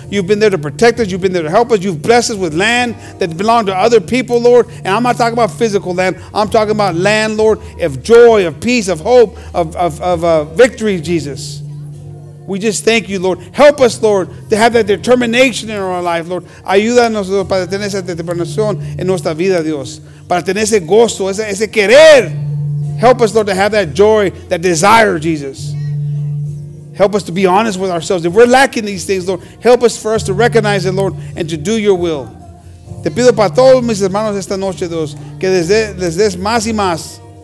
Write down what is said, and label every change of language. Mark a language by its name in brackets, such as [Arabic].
[English] You've been there to protect us. You've been there to help us. You've blessed us with land that belonged to other people, Lord. And I'm not talking about physical land. I'm talking about land, Lord, of joy, of peace, of hope, of victory, Jesus. We just thank you, Lord. Help us, Lord, to have that determination in our life, Lord. [Spanish] Ayúdanos, Lord, para tener esa determinación en nuestra vida, Dios. Para tener ese gozo, ese querer. [English] Help us, Lord, to have that joy, that desire, Jesus. Help us to be honest with ourselves. If we're lacking these things, Lord, help us for us to recognize it, Lord, and to do your will. [Spanish] Te pido para todos mis hermanos esta noche, Dios, que les des más y más.